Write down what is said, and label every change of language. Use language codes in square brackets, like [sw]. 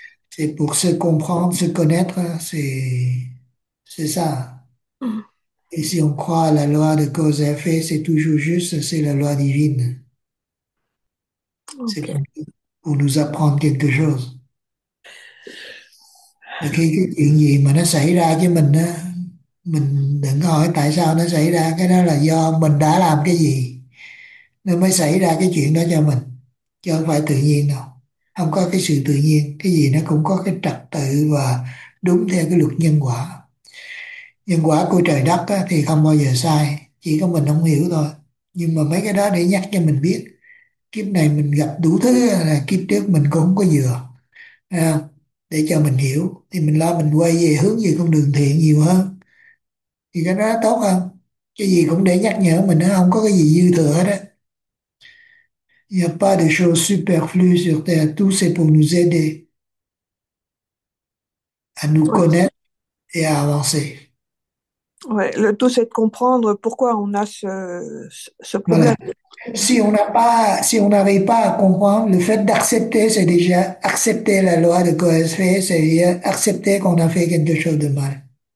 [fr] C'est pour se comprendre, se connaître, c'est ça. Et si on croit à la loi de cause et effet, c'est toujours juste, c'est la loi divine. C'est OK. pour nous apprendre quelque chose. [vi] Mais cái chuyện gì mà nó xảy ra với mình á, mình đừng hỏi tại sao nó xảy ra, cái đó là do mình đã làm cái gì nó mới xảy ra cái chuyện đó cho mình, chứ không phải tự nhiên đâu. Không có cái sự tự nhiên, cái gì nó cũng có cái trật tự và đúng theo cái luật nhân quả. Nhân quả của trời đất á, thì không bao giờ sai, chỉ có mình không hiểu thôi. Nhưng mà mấy cái đó để nhắc cho mình biết kiếp này mình gặp đủ thứ, là kiếp trước mình cũng không có vừa, để cho mình hiểu thì mình lo mình quay về hướng về con đường thiện nhiều hơn thì cái đó tốt hơn. Cái gì cũng để nhắc nhở mình, nó không có cái gì dư thừa hết á. [fr] N'y a pas de choses superflues sur terre, tout c'est pour nous aider à nous Ouais. connaître et à avancer. Ouais, le tout c'est de comprendre pourquoi on a ce problème. Voilà. Si on n'a pas, si on n'arrive pas à comprendre, le fait d'accepter, c'est déjà accepter la loi de cause et effet, c'est accepter qu'on a fait quelque chose de mal.